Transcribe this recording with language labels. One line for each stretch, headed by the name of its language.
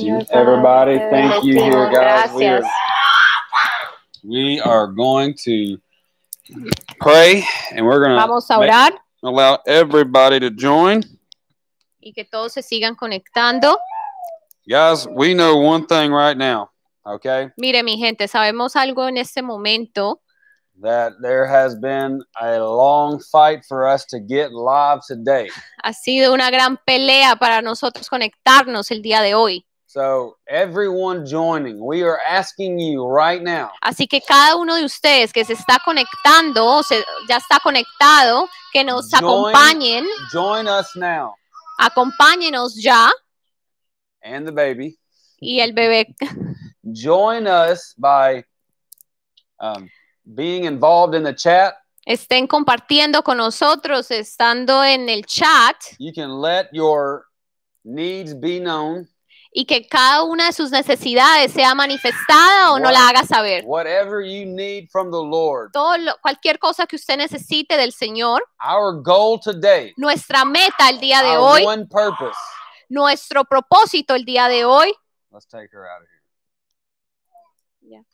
English: Everybody, thank you here, guys. We are going to pray, and we're going to allow everybody to join.
Spanish: Y que todos se sigan conectando.
English: Guys, we know one thing right now, okay?
Spanish: Mire, mi gente, sabemos algo en este momento.
English: That there has been a long fight for us to get live today.
Spanish: Ha sido una gran pelea para nosotros conectarnos el día de hoy.
English: So everyone joining, we are asking you right now.
Spanish: Así que cada uno de ustedes que se está conectando, o se ya está conectado, que nos acompañen.
English: Join us now.
Spanish: Acompáñenos ya.
English: And the baby.
Spanish: Y el bebé.
English: Join us by being involved in the chat.
Spanish: Estén compartiendo con nosotros, estando en el chat.
English: You can let your needs be known.
Spanish: Y que cada una de sus necesidades sea manifestada o no la haga saber.
English: Whatever you need from the Lord.
Spanish: Cualquier cosa que usted necesite del Señor.
English: Our goal today.
Spanish: Nuestra meta el día de hoy.
English: Our one purpose.
Spanish: Nuestro propósito el día de hoy.
English: Let's take her out of here.